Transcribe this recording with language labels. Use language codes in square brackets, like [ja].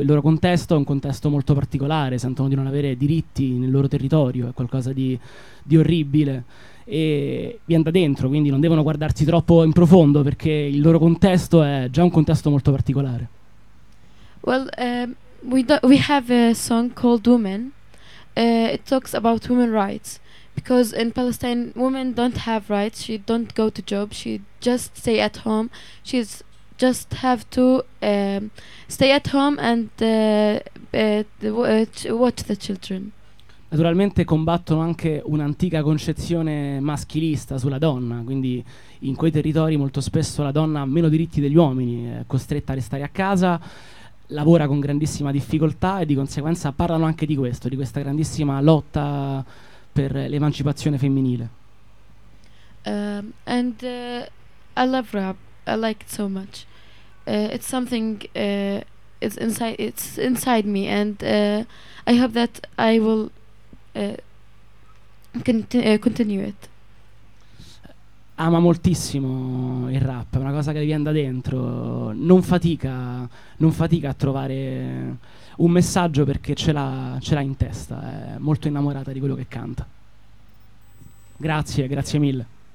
[it] Il loro contesto è un contesto molto particolare, sentono di non avere diritti nel loro territorio, è qualcosa di orribile. E viene da dentro, quindi non devono guardarsi troppo in profondo perché il loro contesto è già un contesto molto particolare. [en] Well, we have a song called Women. It talks about women rights because in Palestine women don't have rights, she don't go to job, she just stay at home, she just have to stay at home and watch the children. [it] Naturalmente combattono anche un'antica concezione maschilista sulla donna, quindi in quei territori molto spesso la donna ha meno diritti degli uomini, è costretta a restare a casa, lavora con grandissima difficoltà e di conseguenza parlano anche di questo, di questa grandissima lotta per l'emancipazione femminile. [en] I love rap, I like it so much. It's something it's inside me and I hope that I will continue it. [it] ama moltissimo il rap, è una cosa che gli viene da dentro, non fatica, non fatica a trovare un messaggio perché ce l'ha in testa, è molto innamorata di quello che canta. Grazie, grazie mille.